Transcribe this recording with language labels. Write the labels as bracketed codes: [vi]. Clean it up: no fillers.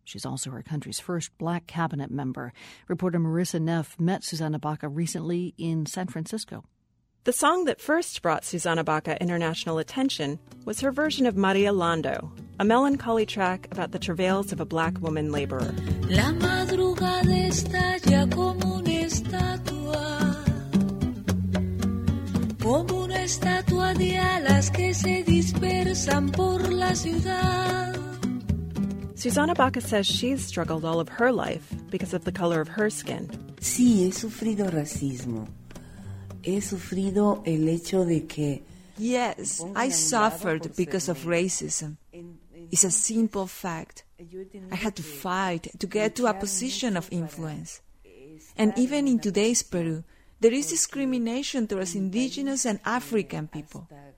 [en] She's also her country's first black cabinet member. Reporter Marissa Neff met Susana Baca recently in San Francisco. The song that first brought Susana Baca international attention was her version of Maria Londo, a melancholy track about the travails of a black woman laborer. [es] La madrugada está ya como una estatua, como una estatua de alas que se dispersan por la ciudad. [en] Susana Baca says she's struggled all of her life because of the color of her skin. [es] Sí, he sufrido racismo. He sufrido el hecho de que... [en] Yes, I suffered because of racism. It's a simple fact. I had to fight to get to a position of influence. And even in today's Peru, there is discrimination towards indigenous and African people.